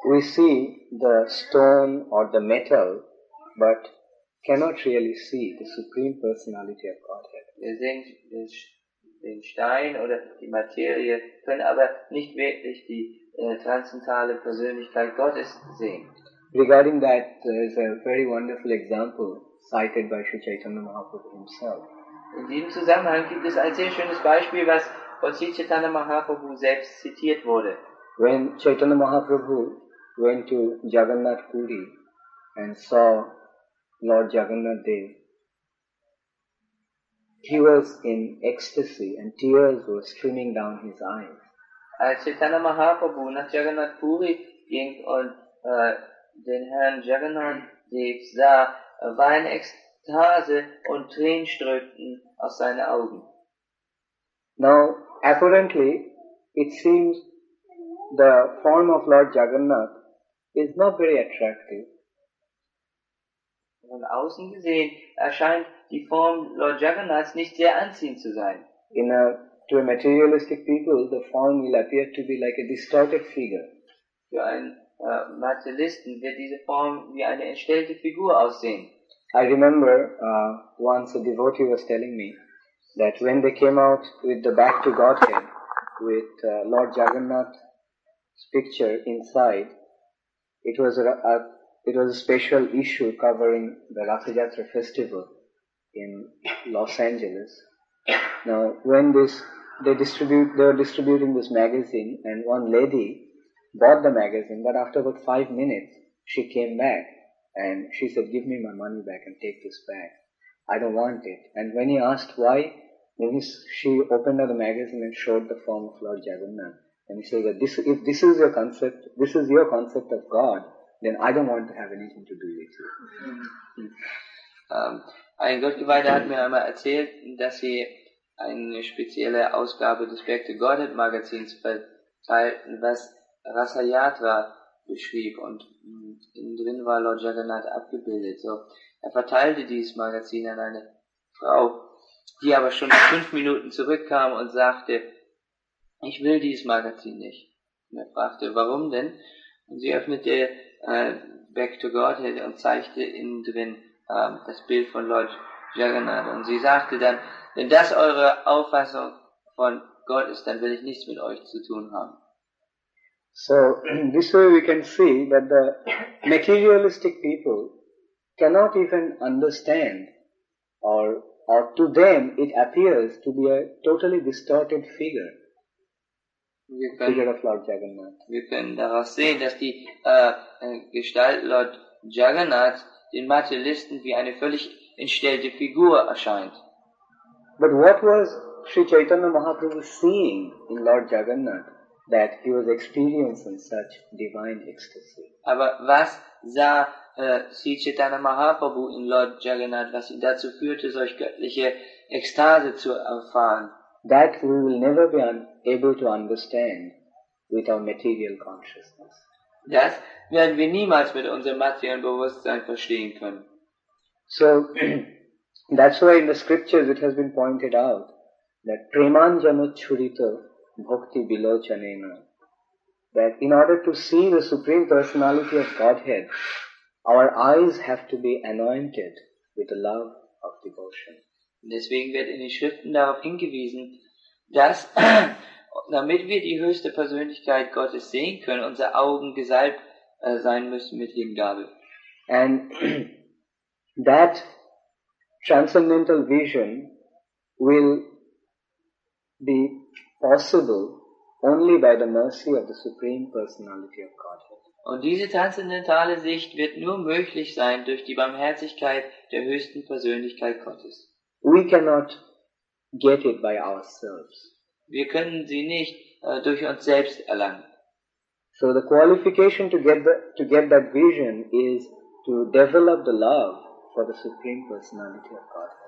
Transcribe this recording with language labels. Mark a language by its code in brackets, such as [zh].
[en] We see the stone or the metal, but cannot really see the Supreme Personality of Godhead. [de] Wir sehen den Stein oder die Materie, können aber nicht wirklich die transzendentale Persönlichkeit Gottes sehen. [en] Regarding that, there is a very wonderful example cited by Sri Chaitanya Mahaprabhu himself. [de] In diesem Zusammenhang gibt es ein sehr schönes Beispiel, was von Sri Chaitanya Mahaprabhu selbst zitiert wurde. [en] When Chaitanya Mahaprabhu went to Jagannath Puri and saw Lord Jagannath Dev, He was in ecstasy and tears were streaming down his eyes. [de] Als Chaitanya Mahaprabhu nach Jagannath Puri ging und den Herrn Jagannath Dev sah, war in Ekstase und Tränen strömten aus seinen Augen. [en] Now, apparently, it seems the form of Lord Jagannath is not very attractive. [de] Von außen gesehen erscheint die Form Lord Jagannaths nicht sehr anziehend zu sein. [en] To a materialistic people, the form will appear to be like a distorted figure. [de] Für einen Materialisten wird diese Form wie eine entstellte Figur aussehen. [en] I remember once a devotee was telling me that when they came out with the Back to Godhead with Lord Jagannath's picture inside, it was a special issue covering the Ratha Yatra festival in Los Angeles. Now, when they were distributing this magazine, and one lady bought the magazine, but after about 5 minutes, she came back and she said, "Give me my money back and take this back. I don't want it." And when he asked why, she opened up the magazine and showed the form of Lord Jagannath. And he said that this is your concept of God, then I don't want to have anything to do with you. [de] Ein Gottgeweihter hat mir einmal erzählt, dass sie eine spezielle Ausgabe des Back to Godhead Magazins verteilten, was Rasa Yatra beschrieb, und innen drin war Lord Jagannath abgebildet. So, er verteilte dieses Magazin an eine Frau, die aber schon nach 5 Minuten zurückkam und sagte, ich will dieses Magazin nicht. Und er fragte, warum denn? Und sie öffnete Back to Godhead und zeigte innen drin das Bild von Lord Jagannath. Und sie sagte dann, wenn das eure Auffassung von Gott ist, dann will ich nichts mit euch zu tun haben. [en] So, this way we can see that the materialistic people cannot even understand, or to them it appears to be a totally distorted figure. Figure of Lord Jagannath. [de] Wir können daraus sehen, dass die Gestalt Lord Jagannath den Materialisten wie eine völlig entstellte Figur erscheint. [en] But what was Sri Chaitanya Mahaprabhu seeing in Lord Jagannath that he was experiencing such divine ecstasy? [de] Aber was sah Sri Chaitanya Mahaprabhu in Lord Jagannath, was ihn dazu führte, solch göttliche Ekstase zu erfahren? [en] That we will never be able to understand with our material consciousness. [de] Das werden wir niemals mit unserem materiellen Bewusstsein verstehen können. [en] So, that's why in the scriptures it has been pointed out that [sa] premanjana churita bhakti bilochanena, [en] that in order to see the Supreme Personality of Godhead, our eyes have to be anointed with the love of devotion. [de] Deswegen wird in den Schriften darauf hingewiesen, dass, damit wir die höchste Persönlichkeit Gottes sehen können, unsere Augen gesalbt sein müssen mit Hingabe. [en] And that transcendental vision will be possible only by the mercy of the Supreme Personality of Godhead. [de] Und diese transzendentale Sicht wird nur möglich sein durch die Barmherzigkeit der höchsten Persönlichkeit Gottes. [en] We cannot get it by ourselves. [de] Wir können sie nicht durch uns selbst erlangen. [en] So the qualification to get that vision is to develop the love for the Supreme Personality of God.